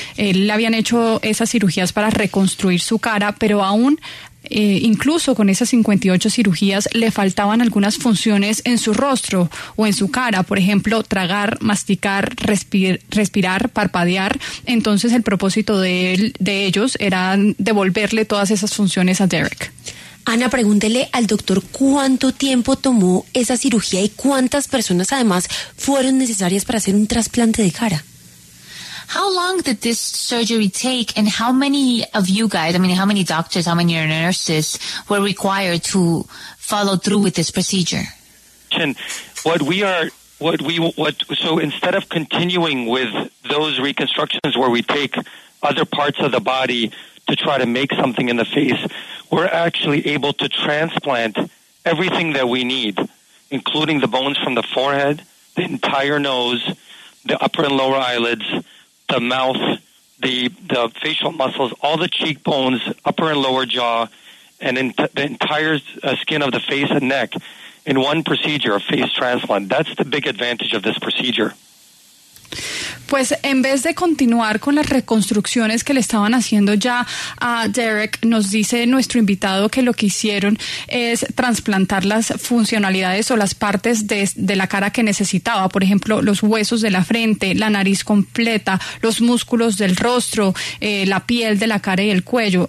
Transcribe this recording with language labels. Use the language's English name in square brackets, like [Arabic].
[Spanish] Él le habían hecho esas cirugías para reconstruir su cara, pero aún incluso con esas 58 cirugías le faltaban algunas funciones en su rostro o en su cara, por ejemplo, tragar, masticar, respirar, parpadear. Entonces el propósito de él, de ellos, era devolverle todas esas funciones a Derek. Ana, pregúntele al doctor cuánto tiempo tomó esa cirugía y cuántas personas además fueron necesarias para hacer un trasplante de cara. [English] How long did this surgery take and how many of you guys, I mean, how many doctors, how many nurses were required to follow through with this procedure? So instead of continuing with those reconstructions where we take other parts of the body to try to make something in the face, we're actually able to transplant everything that we need, including the bones from the forehead, the entire nose, the upper and lower eyelids, the mouth, the facial muscles, all the cheekbones, upper and lower jaw, and the entire skin of the face and neck in one procedure, a face transplant. That's the big advantage of this procedure. [Spanish] Pues en vez de continuar con las reconstrucciones que le estaban haciendo ya a Derek, nos dice nuestro invitado que lo que hicieron es trasplantar las funcionalidades o las partes de la cara que necesitaba, por ejemplo, los huesos de la frente, la nariz completa, los músculos del rostro, la piel de la cara y el cuello.